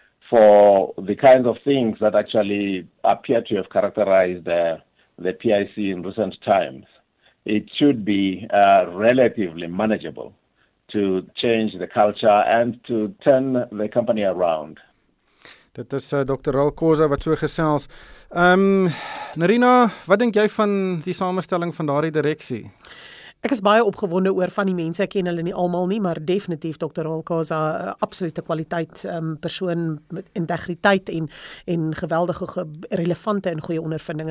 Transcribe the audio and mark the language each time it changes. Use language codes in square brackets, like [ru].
[en] for the kinds of things that actually appear to have characterized the PIC in recent times. It should be relatively manageable to change the culture and to turn the company around. [af] Dit is Dr. Ralph Khoza wat so gesels. Narina, wat dink jy van die samenstelling van daardie direksie? Ek is baie opgewonde oor van die mense, ek ken hulle nie almal nie, maar definitief Dr. Holkaza, absolute kwaliteit persoon met integriteit en geweldige relevante en goeie ondervinding.